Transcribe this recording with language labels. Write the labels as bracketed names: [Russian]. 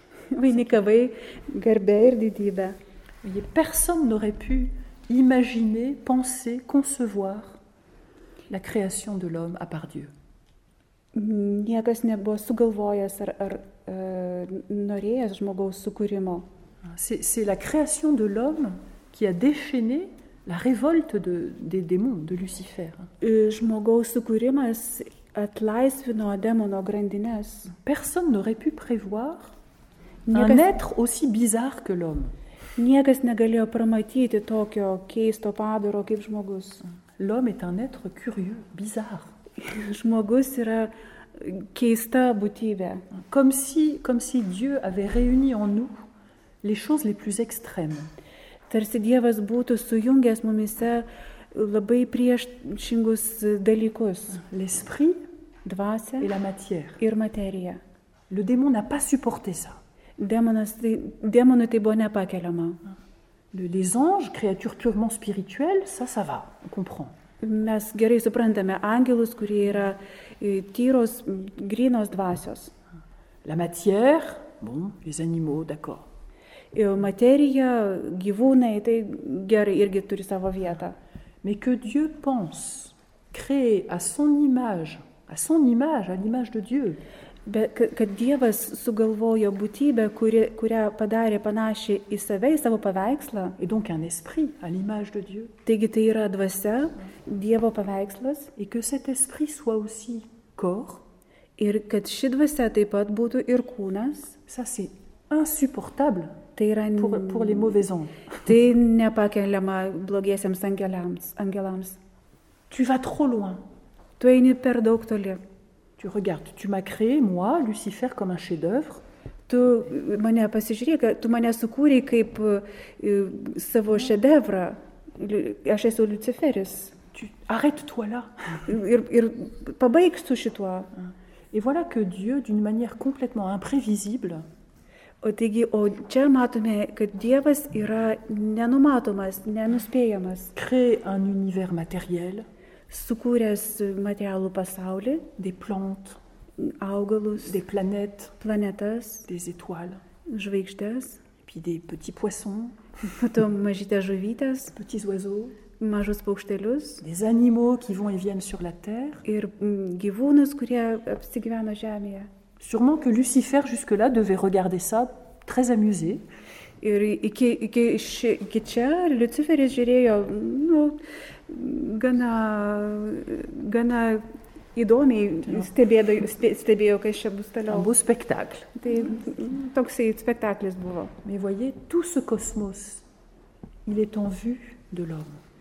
[Lithuanian] Vainikavai garbė ir didybė. [French] Personne n'aurait pu imaginer, penser, concevoir la création de l'homme à part Dieu. [Lithuanian] Niekas nebuvo sugalvojęs ar norėjęs žmogaus sukūrimo. [French] C'est la création de l'homme qui a déchaîné la révolte des démons, de Lucifer. [Lithuanian] Žmogaus sukūrimas atlaisvino demono grandines. [French] Personne n'aurait pu prévoir un être aussi bizarre que l'homme. [Lithuanian] Niekas negalėjo pramatyti tokio keisto padaro kaip žmogus. [French] L'homme est un être curieux, bizarre. [Lithuanian] Žmogus yra keista būtybė. [French] Comme si Dieu avait réuni en nous les choses les plus extrêmes. [Lithuanian] Tarsi Dievas būtų sujungęs mumise labai priešingus dalykus. [French] L'esprit, [Lithuanian] dvasia [French] et la matière. [Lithuanian] Ir materija. [French] Le démon n'a pas supporté ça. [Lithuanian] Démonui tai buvo nepakeliama. [French] Les anges, créatures purement spirituelles, ça va, on comprend. [Lithuanian] Mes gerai suprantame angelus, kurie yra tyros, grynos dvasios. [French] La matière, bon, les animaux, d'accord. [Lithuanian] Materija, gyvūnai, tai gerai irgi turi savo vietą. [French] Mais que Dieu pense créer à son image, à l'image de Dieu. [Lithuanian] Bet kad Dievas sugalvojo būtybę, kurią padarė panašį į save, į savo paveikslą. [French] Et donc un esprit à l'image de Dieu. [Lithuanian] Taigi tai yra dvasia, Dievo paveikslas. [French] Et que cet esprit soit aussi corps. [Lithuanian] Ir kad ši dvasia taip pat būtų ir kūnas. [French] Ça c'est insupportable pour les mauvais anges. [Lithuanian] Tai nepakeliama blogiesiems angelams. [French] Tu vas trop loin. [Lithuanian] Tu eini per daug toli. [French] Tu regardes, tu m'as créé, moi, Lucifer, comme un chef-d'œuvre. [Lithuanian] Tu mane pasižiūrėjai, kad tu mane sukūrei kaip savo šedevrą. Aš esu Luciferis. [French] Arrête-toi là. [Lithuanian] Ir pabaik su šituo. [French] Et voilà que Dieu, d'une manière complètement imprévisible, [Lithuanian] o čia matome, kad Dievas yra nenumatomas, nenuspėjamas. [French] Crée un univers matériel. [Lithuanian] Sukūręs materialų pasaulį, [French] des plantes, [Lithuanian] augalus, [French] des planètes, [Lithuanian] planetas, [French] des étoiles, [Lithuanian] žvaigždes, [French] et puis des petits poissons, [Lithuanian] mažytės žuvytės, [French] petits oiseaux, [Lithuanian] mažus paukštelius, [French] des animaux qui vont et viennent sur la terre, [Lithuanian] ir gyvūnus, kurie apsigyveno žemėje. [French] Sûrement que Lucifer jusque-là devait regarder ça très amusé. [Lithuanian] Ir iki čia Luciferis žiūrėjo, gana įdomiai stebėjo, kas čia bus toliau. Bus spektaklis. Tai toksai spektaklis buvo. [French] Mais voyez, tout ce cosmos, il est en vue de l'homme.